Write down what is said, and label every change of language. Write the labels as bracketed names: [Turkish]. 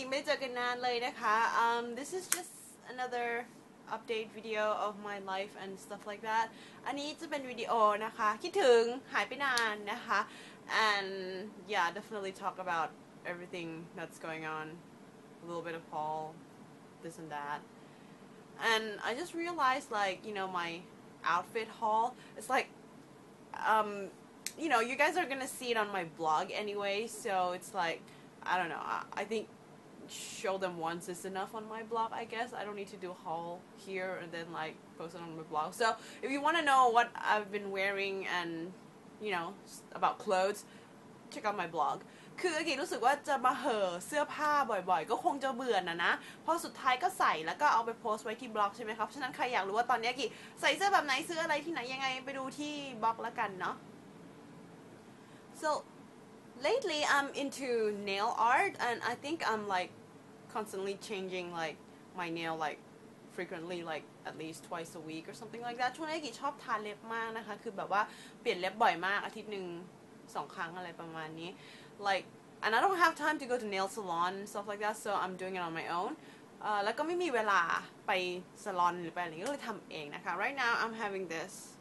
[Thai] ไม่เจอกันนานเลยนะคะ [English] This is just another update video of my life and stuff like that. [Thai] อันนี้จะเป็นวิดีโอนะคะคิดถึงหายไปนานนะคะ [English] And yeah, definitely talk about everything that's going on. A little bit of Paul, this and that. And I just realized, like, you know, my outfit haul. It's like, you know, you guys are gonna see it on my blog anyway, so it's like, I don't know, I think show them once is enough on my blog, I guess. I don't need to do a haul here and then, like, post it on my blog. So, if you want to know what I've been wearing and, you know, about clothes, check out my blog. [Thai] คือกิ๊กรู้สึกว่าจะมาเห่อเสื้อผ้าบ่อยๆก็คงจะเบื่อนะนะเพราะสุดท้ายก็ใส่แล้วก็เอาไปโพสต์ไว้ที่บล็อกใช่ไหมครับฉะนั้นใครอยากรู้ว่าตอนนี้กิ๊กใส่เสื้อแบบไหนเสื้ออะไรที่ไหนยังไงไปดูที่บล็อกแล้วกันเนาะ [English] So lately I'm into nail art and I think I'm like constantly changing like my nail like frequently like at least twice a week or something like that [Thai] ช่วงนี้กิ๊กชอบทาเล็บมากนะคะคือแบบว่าเปลี่ยนเล็บบ่อยมากอาทิตย์นึงสองครั้งอะไรประมาณนี้ [English] like and I don't have time to go to nail salon stuff like that so I'm doing it on my own [Thai] แล้วก็ไม่มีเวลาไปสลอนหรือไปอะไรก็เลยทำเองนะคะ [English] right now I'm having this